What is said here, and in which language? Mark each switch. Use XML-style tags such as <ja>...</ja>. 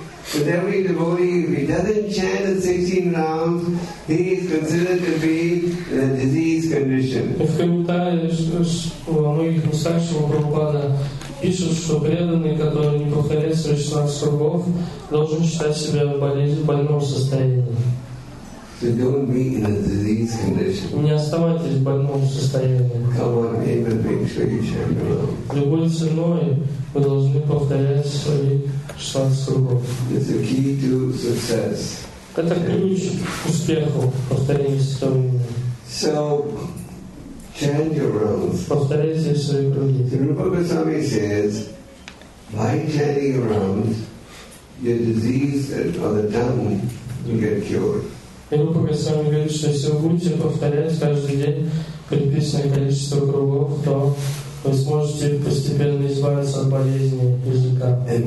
<en>But every devotee, if he doesn't chant the 16 rounds, he is considered to be in a disease condition.</en> <ru>В комментариях во многих местах Шрила Прабхупада пишут, что преданный, который не повторяет свои 16 кругов, должен считать себя в больном состоянии.</ru> <en>So don't be in a disease condition.</en> <ru>Не оставайтесь в больном состоянии.</ru> <en>Come on, even being Shri-Chan.</en> <ru>Любой ценой вы должны повторять свои 16 кругов.</ru> <en>It's a key to success.</en> <ru>Это ключ к успеху, повторение своего.</ru> <en>So, chant your rounds.</en> <ru>Повторяйте свои круги.</ru> <en>So, Rupa Goswami says, by chanting your rounds, your disease or the tongue will get cured.</en> <ru>И Рупа Госвами говорит, что если вы будете повторять каждый день предписанное количество кругов, то вы сможете постепенно избавиться от болезни языка.</ru>